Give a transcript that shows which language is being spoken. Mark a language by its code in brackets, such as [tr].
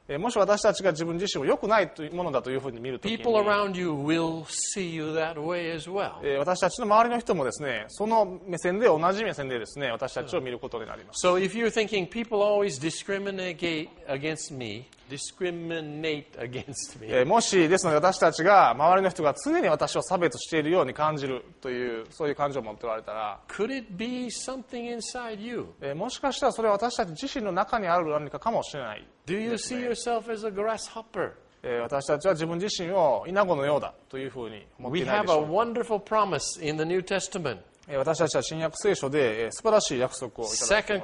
[ja] もし私たちが自分自身を良くないものだというふうに見るときに [en] People around you will see you that way as well. [ja] 私たちの周りの人もですねその目線で同じ目線でですね私たちを見ることになります [en] So if you're thinking people always discriminate against meDiscriminate against me. [ja] もしですので私たちが周りの人が常に私を差別しているように感じるというそういう感情を持っておられたら [en] Could it be something inside you? [ja] もしかしたらそれは私たち自身の中にある何かかもしれない、ね、 [en] Do you see yourself as a grasshopper? [ja] 私たちは自分自身をイナゴのようだというふうに思っていないでしょうか [en] We have a wonderful promise in the New Testament. [ja] 私たちは新約聖書で素晴らしい約束をいただきます